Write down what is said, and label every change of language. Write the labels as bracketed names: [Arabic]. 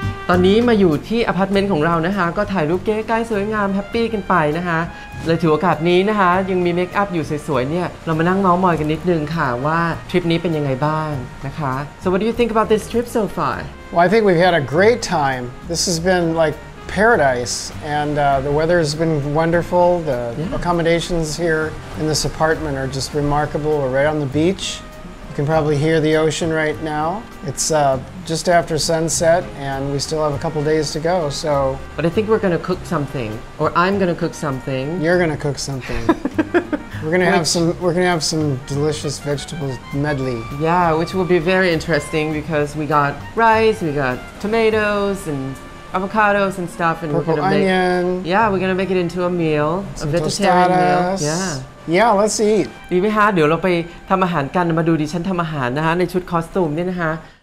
[Thai] ตอนนี้มาอยู่ที่อพาร์ตเมนต์ของเรานะคะก็ถ่ายรูปเก๋ไก๋สวยงามแฮปปี้กันไปนะคะเลยถือโอกาสนี้นะคะยังมีเมคอัพอยู่สวยๆเนี่ยเรามานั่งเมาส์มอยกันนิดนึงค่ะว่าทริปนี้เป็นยังไงบ้างนะคะ [English] So what do you think about this trip so far? Well, I think we've had a great time. This has been like paradise and the weather has been wonderful. The accommodations here in this apartment are just remarkable. We're right on the beach. You can probably hear the ocean right now. It's just after sunset and we still have a couple days to go. So But I think we're going to cook something or I'm going to cook something. You're going to cook something. We're going to have some delicious vegetable medley. Yeah, which will be very interesting because we got rice, we got tomatoes and avocados and stuff and purple onion. Yeah, we're going to make it into a meal, some a vegetarian tostadas. Meal. Yeah. Yeah, let's eat. [Thai] ดีไหมฮะเดี๋ยวเราไปทำอาหารกันมาดูดิฉันทำอาหารนะฮะในชุดคอสตูมเนี่ยนะฮะ